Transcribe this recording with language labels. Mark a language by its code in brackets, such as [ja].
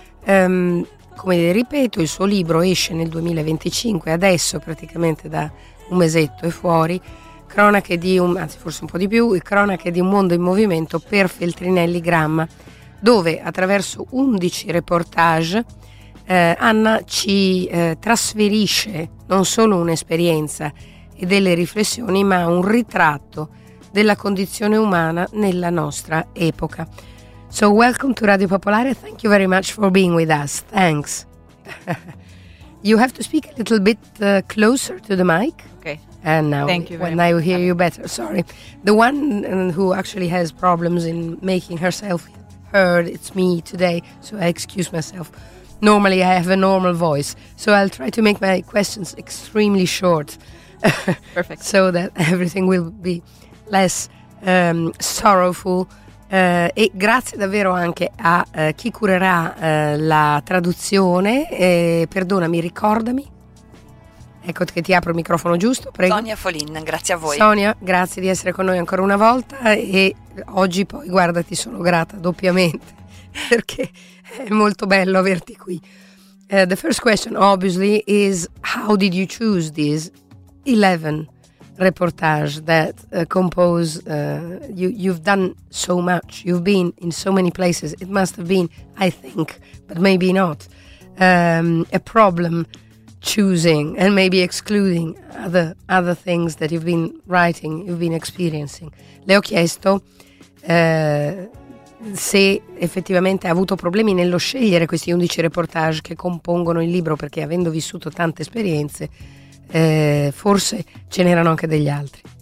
[it] Come ripeto, il suo libro esce nel 2025, adesso praticamente da un mesetto e fuori, cronache di un, anzi forse un po' di più, cronache di un mondo in movimento per Feltrinelli Gramma, dove attraverso 11 reportage Anna ci trasferisce non solo un'esperienza e delle riflessioni, ma un ritratto della condizione umana nella nostra epoca. [en] So welcome to Radio Popolare. Thank you very much for being with us. Thanks. You have to speak a little bit closer to the mic. Okay. And now thank you very much. I hear you better. Sorry. The one who actually has problems in making herself heard, it's me today, so I excuse myself. Normally I have a normal voice, so I'll try to make my questions extremely short. Perfect. So that everything will be less sorrowful, [it] e grazie davvero anche a chi curerà la traduzione. Perdonami, ricordami, ecco che ti apro il microfono giusto, prego. Sonia Folin, grazie a voi. Sonia, grazie di essere con noi ancora una volta, e oggi poi guarda, ti sono grata doppiamente perché è molto bello averti qui. [en] The first question obviously is, how did you choose these 11 reportage that compose you've done so much, you've been in so many places, it must have been, I think, but maybe not, a problem choosing and maybe excluding other things that you've been writing, you've been experiencing. [it] Le ho chiesto se effettivamente ha avuto problemi nello scegliere questi 11 reportage che compongono il libro, perché avendo vissuto tante esperienze forse ce n'erano anche degli altri.